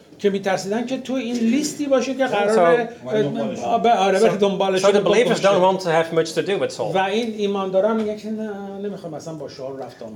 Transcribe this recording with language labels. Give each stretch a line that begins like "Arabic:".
Persian: که میترسیدن که تو این لیستی باشه که قراره آره به دنبالش بره.
English: So the believers don't want to have much to do with Saul.
Persian: و این ایماندارا میگه که نه نمیخوام اصلا با شاول رفت آمد.